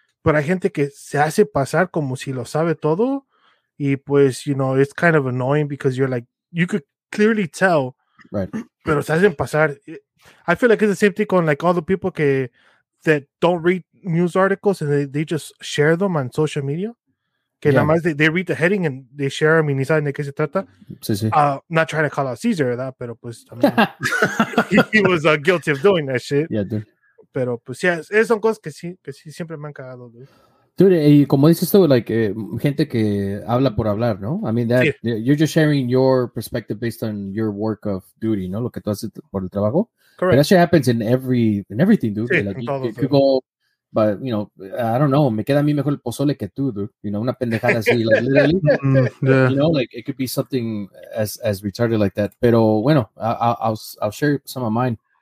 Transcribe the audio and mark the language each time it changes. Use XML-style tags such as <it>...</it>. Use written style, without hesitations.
<es>Pero hay gente que se hace pasar como si lo sabe todo.</es> <en>Y pues, you know, it's kind of annoying because you're like, you could clearly tell. Right.</en> <es>Pero se hacen pasar.</es> <en>I feel like it's the same thing on, like, all the people que, that don't read news articles and they just share them on social media.</en> <es>Que yeah. Nada más they read the heading and they share them y ni saben de qué se trata. Sí, sí.</es> <en>Not trying to call out Caesar, ¿verdad? Pero pues, I mean, he was guilty of doing that shit. Yeah, dude.</en> <es>Pero pues, yeah, esas son cosas que sí siempre me han cagado, dude. Dude, y como dices tú, like, gente que habla por hablar, ¿no?</es> <en>I mean, that, sí. You're just sharing your perspective based on your work of duty, ¿no?</en> <es>Lo que tú haces por el trabajo.</es> <en>Correct. But that shit happens in everything, dude. Sí, like, but, you know, I don't know. Me queda a mí mejor el pozole que tú, dude. You know, una pendejada así, like, literally. Yeah. You know, like, it could be something as retarded like that. Pero, bueno, I'll share some of mine.</en>